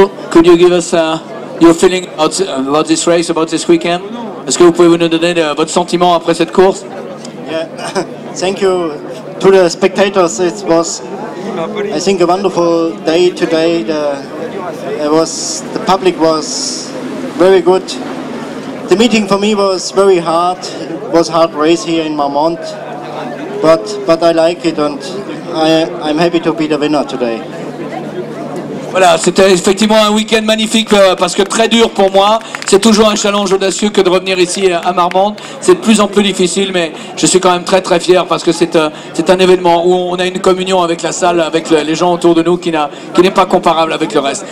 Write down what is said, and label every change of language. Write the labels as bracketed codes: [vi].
[en] Could you give us your feeling about this race, about this weekend? [fr] Est-ce que vous pouvez nous donner votre sentiment après cette course? [en] Yeah, thank you to the spectators. It was, I think, a wonderful day today. The public was very good. The meeting for me was very hard. It was a hard race here in Marmont, but I like it, and I'm happy to be the winner today. [fr] Voilà, c'était effectivement un week-end magnifique parce que très dur pour moi. C'est toujours un challenge audacieux que de revenir ici à Marmande. C'est de plus en plus difficile, mais je suis quand même très très fier parce que c'est un événement où on a une communion avec la salle, avec les gens autour de nous qui n'est pas comparable avec le reste.